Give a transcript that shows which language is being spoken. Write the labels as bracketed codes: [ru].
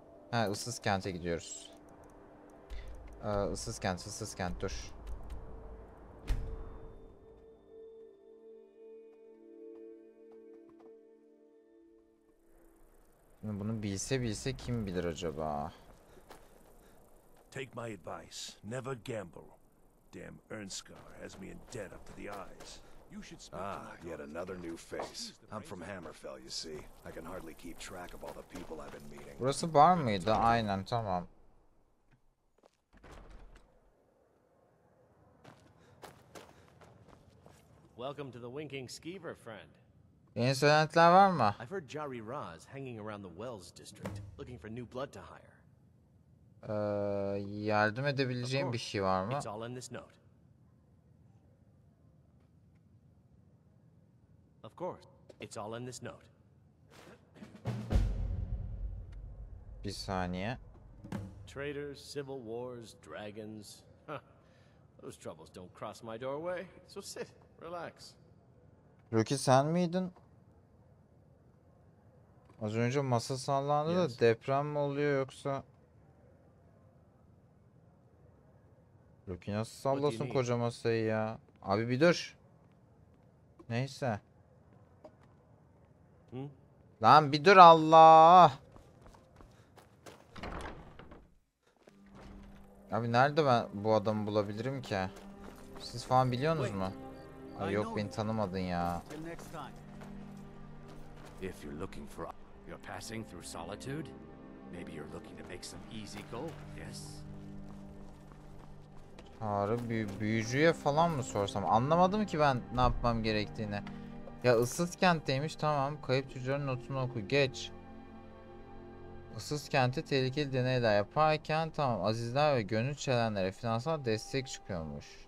[tr] He ıssız kente gidiyoruz. Issız kent dur. Şimdi bunu bilse kim bilir acaba? [en] Take my advice. Never gamble. Damn Ernskar has me in debt up to the eyes. You should speak to yet another new face. I'm from Hammerfell, you see. I can hardly keep track of all the people I've been meeting. [tr] Burası bar mıydı? Aynen, tamam. [en] Welcome to the Winking Skeever, friend. [tr] Yeni söylentiler var mı? [en] I've heard Jari Raz hanging around the Wells District, looking for new blood to hire. [tr] Yardım edebileceğim bir şey var mı? [en] Of course, it's all in this note. [tr] Bir saniye. [en] traitors, civil wars, dragons. Those troubles don't cross my doorway. So sit, relax. [tr] Rocky sen miydin? Az önce masa sallandı da deprem mi oluyor yoksa? Rocky nasıl sallasın koca masayı ya? Abi bir dur. Neyse. Lan bir dur Allah. Abi nerede ben bu adamı bulabilirim ki? Siz falan biliyorsunuz mu? Ay yok beni tanımadın ya. [en] If you're looking for you're passing through solitude, maybe you're looking to make some easy gold. Yes. [tr] Harbi büyücüye falan mı sorsam? Anlamadım ki ben ne yapmam gerektiğini. Ya ıssız kentteymiş tamam. Kayıp tüccarın notunu oku. Geç. Isız kenti tehlikeli deneyler yaparken tamam azizler ve gönül çelenlere finansal destek çıkıyormuş.